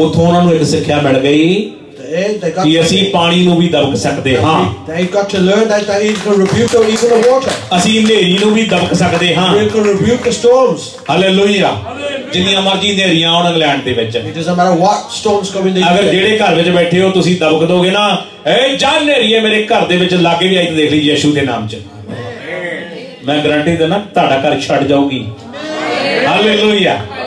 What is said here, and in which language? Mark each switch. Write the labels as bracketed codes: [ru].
[pa] ਉਥੋਂ ਉਹਨਾਂ ਨੂੰ ਇੱਕ ਸਿੱਖਿਆ ਮਿਲ ਗਈ ਕਿ ਅਸੀਂ ਪਾਣੀ ਨੂੰ ਵੀ ਦਬਕ ਸਕਦੇ ਹਾਂ। [en] They got to learn that he is going to rebuke the even the water. [pa] ਅਸੀਂ ਹਨੇਰੀ ਨੂੰ ਵੀ ਦਬਕ ਸਕਦੇ ਹਾਂ। [en] We can rebuke the storms. Hallelujah. [pa] ਜਿੰਨੀਆਂ ਮਰਜ਼ੀ ਹਨੇਰੀਆਂ ਆਉਣ ਇੰਗਲੈਂਡ ਦੇ ਵਿੱਚ, [en] It is a matter what storms come in ਦੇ। [pa] ਅਗਰ ਜਿਹੜੇ ਘਰ ਵਿੱਚ ਬੈਠੇ ਹੋ ਤੁਸੀਂ ਦਬਕ ਦੋਗੇ ਨਾ, ਇਹ ਜਾਂ ਹਨੇਰੀਏ ਮੇਰੇ ਘਰ ਦੇ ਵਿੱਚ ਲਾਗੇ ਵੀ ਆਈ ਤੇ ਦੇਖ ਲਈ ਯੇਸ਼ੂ ਦੇ ਨਾਮ 'ਚ, ਮੈਂ ਗਰੰਟੀ ਦਿੰਦਾ ਤੁਹਾਡਾ ਘਰ ਛੱਡ ਜਾਊਗੀ। ਹਾਲੇਲੂਇਆ।